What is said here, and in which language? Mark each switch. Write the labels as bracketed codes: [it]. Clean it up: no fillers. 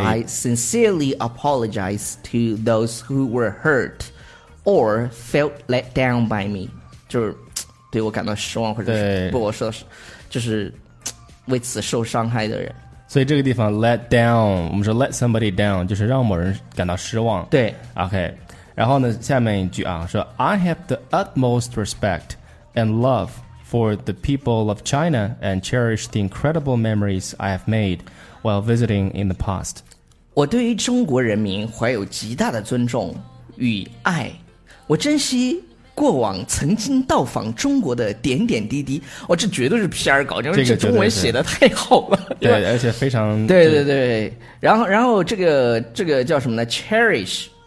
[en] I sincerely apologize to those who were hurt or felt let down by me. [zh] 就是对我感到失望或者是不，我说就是为此受伤害的人。所以这个地方 let down， 我们说 let somebody down 就是让某人感到失望。对，OK。然后呢，下面一句啊，说 [en] I have the utmost respect and love for the people of China and cherish the incredible memories I have made while visiting in the past。 [zh] 我对于中国人民怀有极大的尊重与爱，我珍惜过往曾经到访中国的点点滴滴。哦，这绝对是 PR 稿，因为这中文写的太好了。这个，对，而且非常对对对。然后这个叫什么呢 ？Cherish，